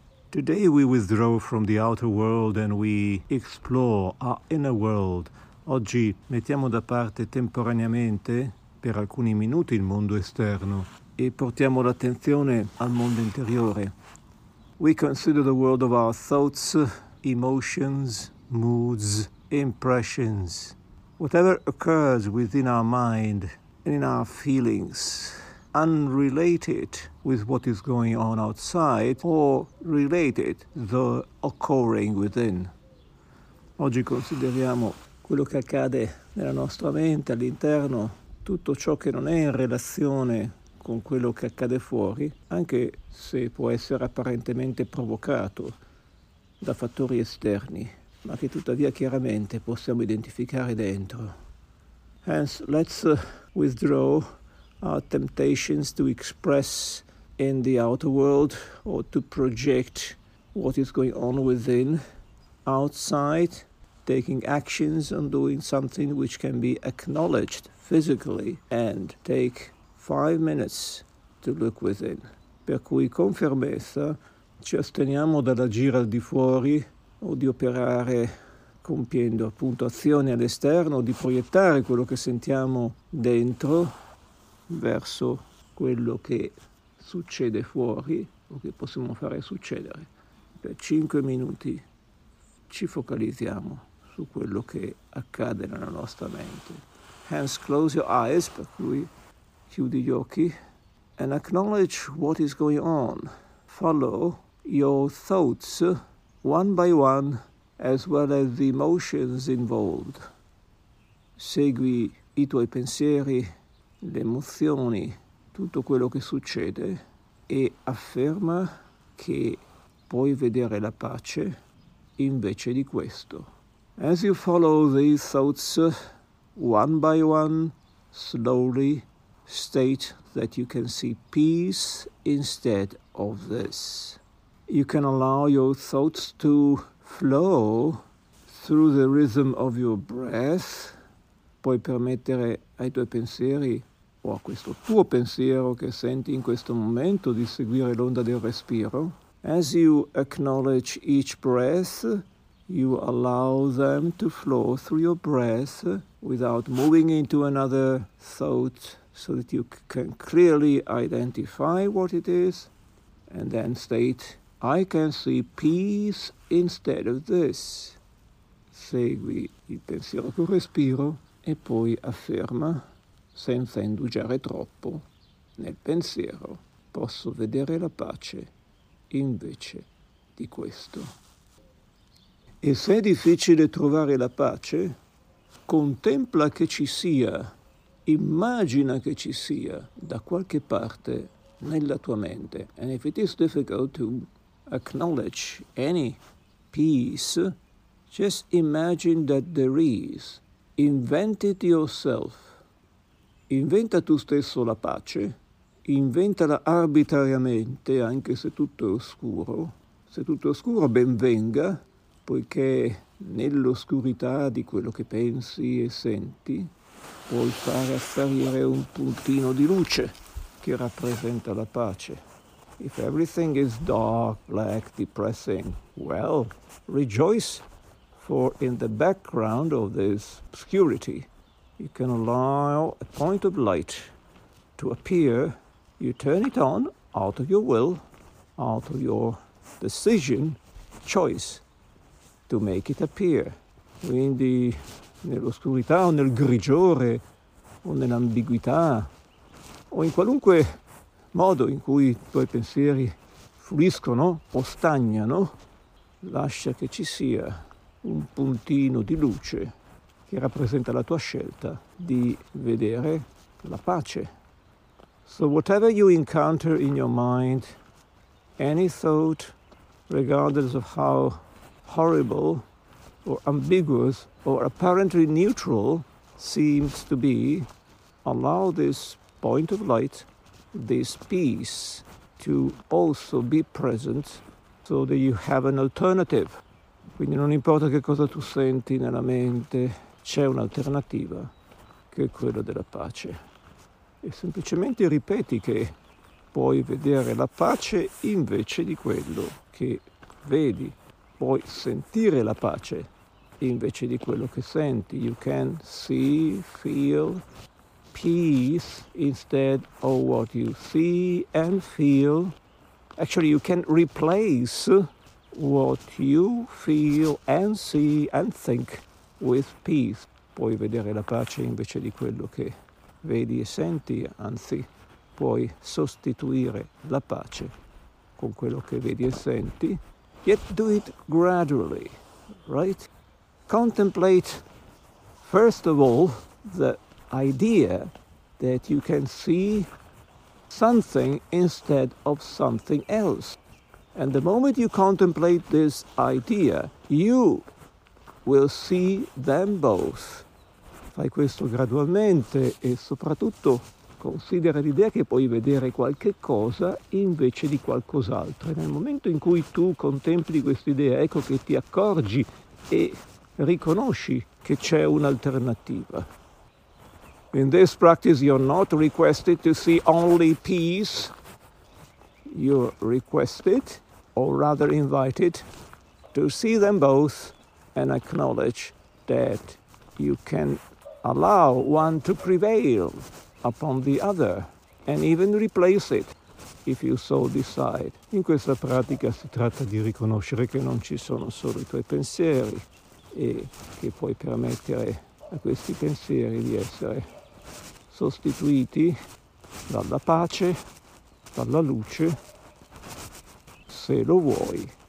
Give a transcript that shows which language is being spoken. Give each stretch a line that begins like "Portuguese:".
English: Today we withdraw from the outer world and we explore our inner world.
Italian: Oggi mettiamo da parte temporaneamente, per alcuni minuti, il mondo esterno e portiamo l'attenzione al mondo interiore.
English: We consider the world of our thoughts, emotions, moods, impressions. Whatever occurs within our mind and in our feelings, unrelated with what is going on outside or related the occurring within.
Italian: Oggi consideriamo quello che accade nella nostra mente, all'interno, tutto ciò che non è in relazione con quello che accade fuori, anche se può essere apparentemente provocato da fattori esterni, ma che tuttavia chiaramente possiamo identificare dentro.
English: Hence, let's withdraw our temptations to express in the outer world or to project what is going on within, outside, taking actions on doing something which can be acknowledged physically, and take 5 minutes to look within.
Italian: Per cui con fermezza ci asteniamo dall'agire al di fuori o di operare compiendo appunto azioni all'esterno o di proiettare quello che sentiamo dentro verso quello che succede fuori o che possiamo fare succedere. Per 5 minuti ci focalizziamo su quello che accade nella nostra mente.
English: Hence close your eyes,
Italian: per cui chiudi gli occhi,
English: and acknowledge what is going on. Follow your thoughts one by one, as well as the emotions involved.
Italian: Segui i tuoi pensieri, le emozioni, tutto quello che succede, e afferma che puoi vedere la pace invece di questo.
English: As you follow these thoughts one by one, slowly, state that you can see peace instead of this. You can allow your thoughts to flow through the rhythm of your breath.
Italian: Puoi permettere ai tuoi pensieri o a questo tuo pensiero che senti in questo momento di seguire l'onda del respiro.
English: As you acknowledge each breath, you allow them to flow through your breath without moving into another thought, so that you can clearly identify what it is and then state, I can see peace instead of this.
Italian: Segui il pensiero col respiro e poi afferma, senza indugiare troppo nel pensiero, posso vedere la pace invece di questo. E se è difficile trovare la pace, contempla che ci sia, immagina che ci sia da qualche parte nella tua mente.
English: And if it is difficult to acknowledge any peace, just imagine that there is. Invent it yourself.
Italian: Inventa tu stesso la pace, inventala arbitrariamente, anche se tutto è oscuro. Se tutto è oscuro, ben venga, poiché nell'oscurità di quello che pensi e senti puoi far apparire un puntino di luce che rappresenta la pace.
English: If everything is dark, black, depressing, well, rejoice, for in the background of this obscurity you can allow a point of light to appear. You turn it on out of your will, out of your decision, choice to make it appear.
Italian: Quindi nell'oscurità o nel grigiore o nell'ambiguità o in qualunque modo in cui i tuoi pensieri fluiscono o stagnano, lascia che ci sia un puntino di luce che rappresenta la tua scelta di vedere la pace.
English: So whatever you encounter in your mind, any thought, regardless of how horrible or ambiguous or apparently neutral seems to be, allow this point of light, this peace, to also be present so that you have an alternative.
Italian: Quindi non importa che cosa tu senti nella mente, c'è un'alternativa che è quella della pace. E semplicemente ripeti che puoi vedere la pace invece di quello che vedi. Puoi sentire la pace invece di quello che senti.
English: You can see, feel peace instead of what you see and feel. Actually, you can replace what you feel and see and think with peace.
Italian: Puoi vedere la pace invece di quello che vedi e senti, anzi, puoi sostituire la pace con quello che vedi e senti.
English: Yet do it gradually, right? Contemplate, first of all, the idea that you can see something instead of something else. And the moment you contemplate this idea, you will see them both.
Italian: Fai questo gradualmente e soprattutto considera l'idea che puoi vedere qualche cosa invece di qualcos'altro. E nel momento in cui tu contempli questa idea, ecco che ti accorgi e riconosci che c'è un'alternativa.
English: In this practice, you're not requested to see only peace. You're requested, or rather invited, to see them both and acknowledge that you can allow one to prevail upon the other and even replace it if you so decide.
Italian: In questa pratica si tratta di riconoscere che non ci sono solo i tuoi pensieri e che puoi permettere a questi pensieri di essere sostituiti dalla pace, dalla luce, se lo vuoi.